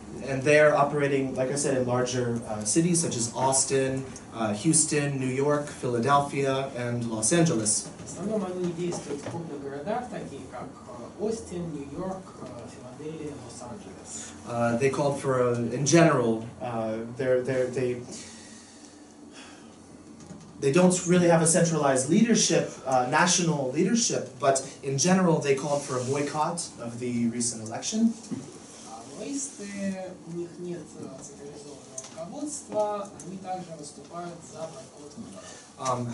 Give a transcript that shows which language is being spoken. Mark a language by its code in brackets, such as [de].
[en] And they are operating, like I said, in larger cities such as Austin, Houston, New York, Philadelphia, and Los Angeles. [ru] В основном они действуют в крупных городах, такие как Остин, Нью-Йорк, Филадельфия, Лос-Анджелес. [en] They called for, in general, they don't really have a centralized leadership, national leadership, but in general they called for a boycott of the recent election. [ru] Маоисты, у них нет централизованного руководства, они также выступают за бойкот выборов.